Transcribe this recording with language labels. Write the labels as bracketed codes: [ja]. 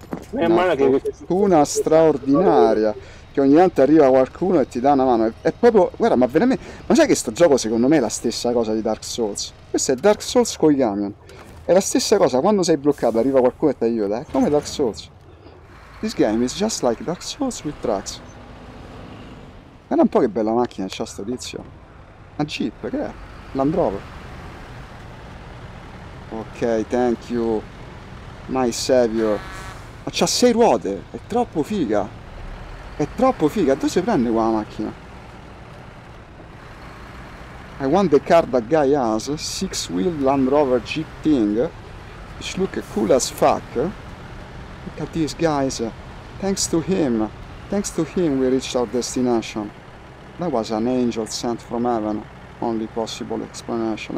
[it] Una fortuna straordinaria. Che ogni tanto arriva qualcuno e ti dà una mano. È proprio. Guarda, ma veramente. Ma sai che sto gioco secondo me è la stessa cosa di Dark Souls? Questo è Dark Souls con i camion. È la stessa cosa, quando sei bloccato arriva qualcuno e ti aiuta, è come Dark Souls. [en] This game is just like Dark Souls with trucks. [it] Guarda un po' che bella macchina c'ha sto tizio. Una Jeep, che è? Land Rover. [en] Ok, thank you. My savior. [it] Ma c'ha 6 ruote, è troppo figa. È troppo figa, dove si prende qua la macchina? [en] I want the car that guy has, 6-wheel Land Rover Jeep thing, which look cool as fuck. Look at these guys, thanks to him we reached our destination. That was an angel sent from heaven, only possible explanation.